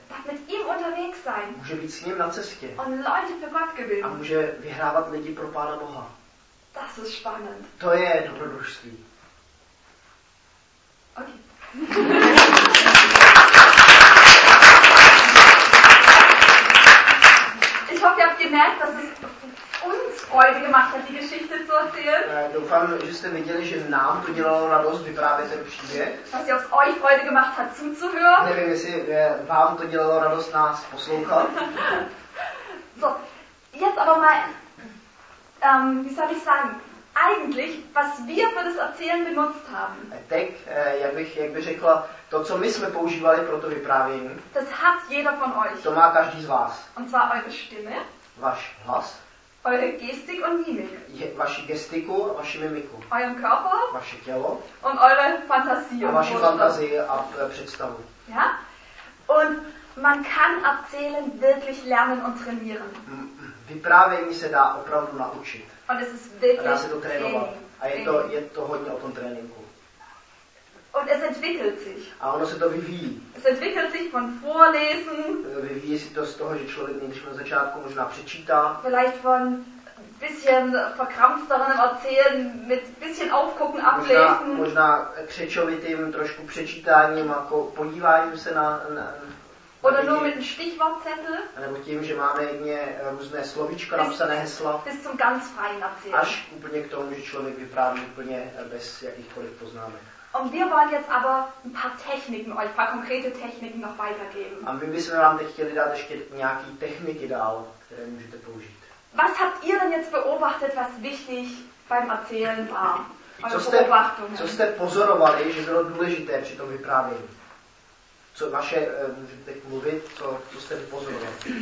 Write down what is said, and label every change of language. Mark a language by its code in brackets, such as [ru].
[de] Tak mit ihm unterwegs sein. [cs] Může být s ním na cestě. [de] Und Leute für Gott gewinnen. [cs] A může vyhrávat lidi pro Pána Boha. [de] Das ist spannend. [cs] To je dobrodružství. Okay. [de] Ich hoffe, ihr habt gemerkt, dass es uns Freude gemacht hat, die Geschichte zu erzählen. [cs] Doufám, že jste viděli, že nám to dělalo radost vyprávět ten příběh. [de] Dass es euch Freude gemacht hat, zuzuhören. [cs] Nevím, jestli vám to dělalo radost nás poslouchat. [de] So, jetzt aber mal, wie soll ich sagen? Eigentlich, was wir für das Erzählen benutzt haben. [cs] Tak, jak by řekla, to, co my jsme používali pro to vyprávění. [de] Das hat jeder von euch. [cs] To má každý z vás. [de] Und zwar eure Stimme. [cs] Váš hlas. [de] Eure Gestik und Mimik. [cs] Vaši gestiku a vaši mimiku. [de] Euren Körper. [cs] Vaše tělo. [de] Und eure Fantasie. [cs] A vaši fantazii a představu. [de] Ja? Und man kann Erzählen wirklich lernen und trainieren. [cs] Vyprávění se dá opravdu naučit. [de] Und es ist wirklich [cs] a dá se to trénovat. A je to hodně o tom tréninku. [de] Und es entwickelt sich. [cs] A ono se to vyvíjí. [de] Es entwickelt sich von Vorlesen. [cs] Vyvíjí se to z toho, že člověk nejdřív na začátku možná přečítá. [de] Vielleicht von bisschen verkrampfterem erzählen mit bisschen aufgucken, ablesen. [cs] Možná křečovitým trošku přečítáním a podíváním se na [de] oder nur mit einem Stichwortzettel? [cs] Nebo tím, že máme jedně různé slovíčka napsané hesla. [de] Bis zum ganz freien Erzählen. [cs] Až úplně k tomu, že člověk vypráví úplně bez jakýchkoliv poznámek. [de] Und wir wollen jetzt aber ein paar Techniken, euch ein paar konkrete Techniken noch weitergeben. [cs] A my bychom vám teď chtěli dát ještě nějaký techniky dál, které můžete použít. [de] Was habt ihr denn jetzt beobachtet, was wichtig beim Erzählen war? [cs] Co jste pozorovali, že bylo důležité při tom vyprávění? Co vaše, můžete mluvit, co jste pozorovali?